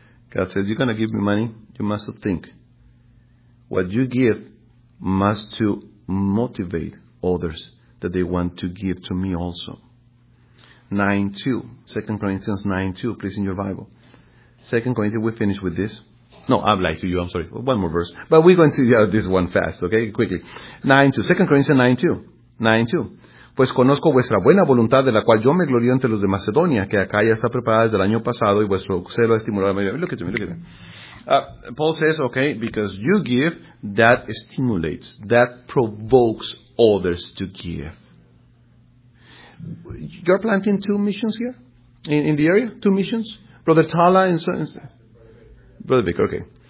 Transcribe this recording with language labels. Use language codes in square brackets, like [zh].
[en] God says, you're going to give me money, you must think. What you give must to motivate others that they want to give to me also. 9:2. 2 Corinthians 9:2, please, in your Bible. 2 Corinthians, we finish with this. No, I've lied to you, I'm sorry. One more verse. But we're going to see this one fast, okay? Quickly. 9:2. 2 Corinthians 9:2. 9:2. [es] pues conozco vuestra buena voluntad, de la cual yo me glorío entre los de Macedonia, que acá ya está preparada desde el año pasado, y vuestro celo ha estimulado a mí. Mira lo que [en] Paul says, okay, because you give, that stimulates, that provokes others to give. You're planting two missions here? In the area? Two missions? Brother Tala and so on? Brother Vicker, okay.